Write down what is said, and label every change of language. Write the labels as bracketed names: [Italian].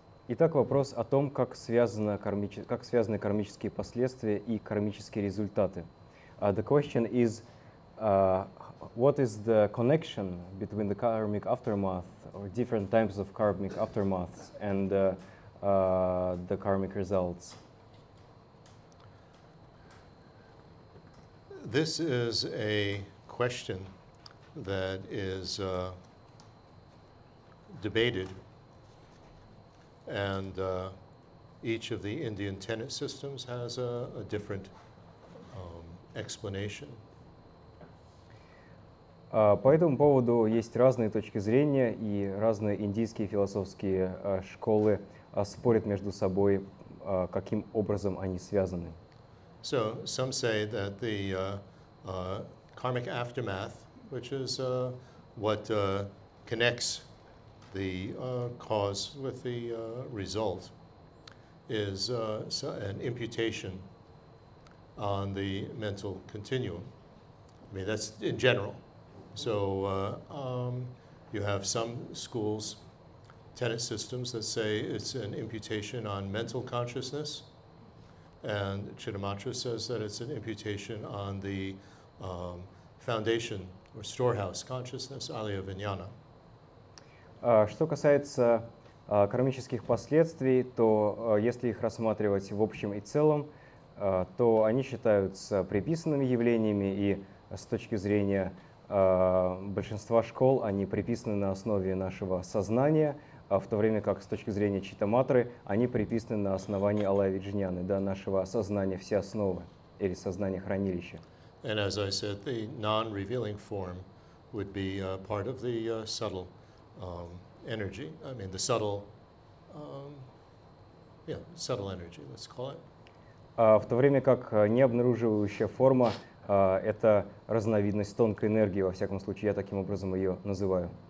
[Russian] Итак, вопрос о том, как связаны кармические последствия и кармические результаты. [English] The question is, what is the connection between the karmic aftermath or different types of karmic aftermaths and the karmic results? This is a question that is debated, and each of the Indian tenet systems has a different explanation. [Russian] По этому поводу есть разные точки зрения, и разные индийские философские школы спорят между собой, каким образом они связаны. [English] So some say that the karmic aftermath, which is what connects the cause with the result, is an imputation on the mental continuum. I mean, that's in general. So you have some schools, tenet systems, that say it's an imputation on mental consciousness. And Chittamatra says that it's an imputation on the foundation or storehouse consciousness, alaya vijnana. [Russian] Что касается кармических последствий, то если их рассматривать в общем и целом, то они считаются приписанными явлениями, и с точки зрения большинства школ они приписаны на основе нашего сознания. В то время как с точки зрения читаматры они приписаны на основании алая виджняны, да, нашего сознания, все основы или сознания хранилища. [English] And as I said, the non-revealing form would be part of the subtle energy. I mean, the subtle, subtle energy, let's call it. [Russian] В то время как необнаруживающая форма это разновидность тонкой энергии, во всяком случае, я таким образом ее называю.